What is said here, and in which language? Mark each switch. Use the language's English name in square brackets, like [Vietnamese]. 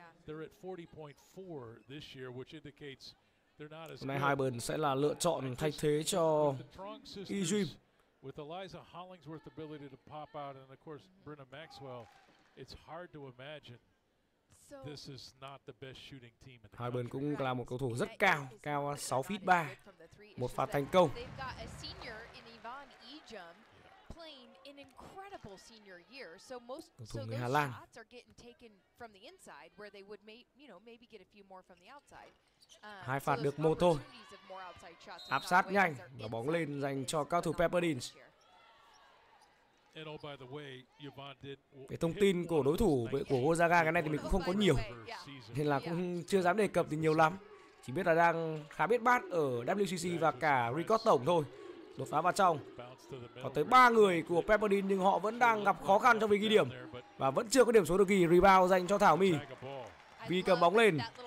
[English] They're at 40.4 this year, which indicates they're not as good. [Vietnamese] Hôm nay Hybens sẽ là lựa chọn thay thế cho Ejim. [English] With Eliza Hollingsworth's ability to pop out and of course Brenna Maxwell, it's hard to imagine this is not the best shooting team in the country. [Vietnamese] Hybens cũng là một cầu thủ rất cao 6'3", một pha thành công. [English] They've got a senior in Ivan Ejim playing an incredible senior year, so most so those shots are getting taken from the inside where they would maybe you know maybe get a few more from the outside. [Vietnamese] Hai phạt được một thôi. Áp sát nhanh và bóng lên dành cho cao thủ Pepperdine. [English] And oh by the way, Yvonne did. [Vietnamese] Cái thông tin của đối thủ của Gonzaga cái này thì mình cũng không có nhiều, nên là cũng chưa dám đề cập thì nhiều lắm. Chỉ biết là đang khá biết bát ở WCC và cả record tổng thôi. Đột phá vào trong. Có tới 3 người của Pepperdine nhưng họ vẫn đang gặp khó khăn trong việc ghi điểm và vẫn chưa có điểm số được ghi. Rebound dành cho Thảo My. Vy cầm bóng lên.